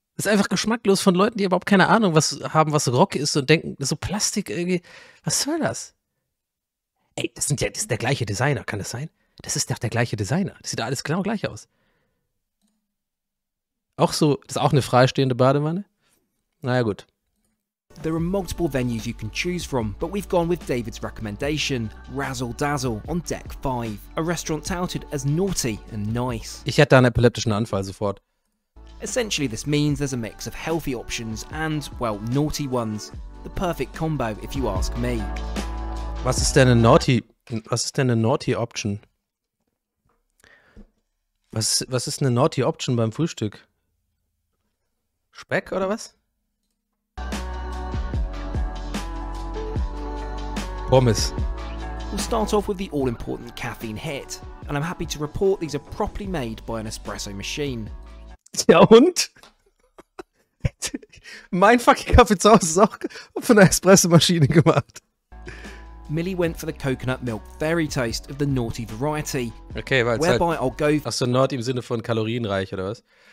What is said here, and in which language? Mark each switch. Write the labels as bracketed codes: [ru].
[de] Das ist einfach geschmacklos von Leuten, die überhaupt keine Ahnung was haben, was Rock ist und denken, so Plastik irgendwie, was soll das? Ey, das sind ja, das ist der gleiche Designer, kann das sein? Das ist doch der gleiche Designer. Das sieht alles genau gleich aus. Auch so, das ist auch eine freistehende Badewanne. Naja, gut. [en] There are multiple venues you can choose from, but we've gone with David's recommendation, Razzle Dazzle on Deck 5, a restaurant touted as naughty and nice. [de] Ich hätte da einen epileptischen Anfall sofort. [en] Essentially, this means there's a mix of healthy options and, well, naughty ones. The perfect combo, if you ask me. [de] Was ist denn eine naughty Option? Was ist eine naughty Option beim Frühstück? Speck oder was? Pommes. [en] We'll start off with the all-important caffeine hit, and I'm happy to report these are properly made by an espresso machine. [de] Ja, und? Mein fucking Kaffee zu Hause ist auch von einer Espresso-Maschine gemacht. [en] Millie went for the coconut milk fairy taste of the naughty variety. [de] Okay, weil whereby halt, [en] I'll go for, [de] ach so, naughty im Sinne von kalorienreich oder was?